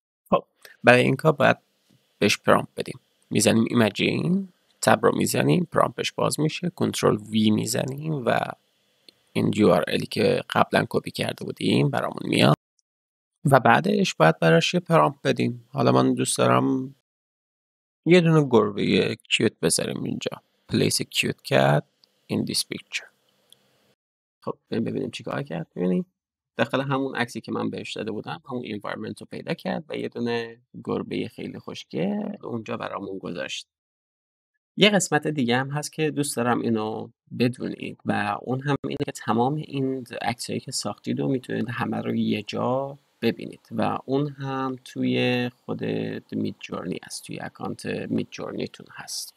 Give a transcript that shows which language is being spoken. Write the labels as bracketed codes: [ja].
[fa] خب برای این کار باید بهش پرامپ بدیم. میزنیم ایمجین، تب رو میزنیم، پرامپش باز میشه، کنترل وی میزنیم و این یو آر الی که قبلا کپی کرده بودیم برامون میاد و بعدش باید براش یه پرامپ بدیم. حالا من دوست دارم یه دونه گربه یه کیوت بذاریم اینجا. [en] Place a cute cat in this picture. [fa] خب ببینیم چیکار کرد. ببینیم داخل همون عکسی که من بهش داده بودم همون انوایرمنت رو پیدا کرد و یه دونه گربه خیلی خوشگل اونجا برامون گذاشت. یه قسمت دیگه هم هست که دوست دارم اینو بدونید و اون هم اینه که تمام این عکسایی که ساختید رو میتونید همه رو یه جا ببینید و اون هم توی خود میدجورنی هست، توی اکانت میدجورنیتون هست.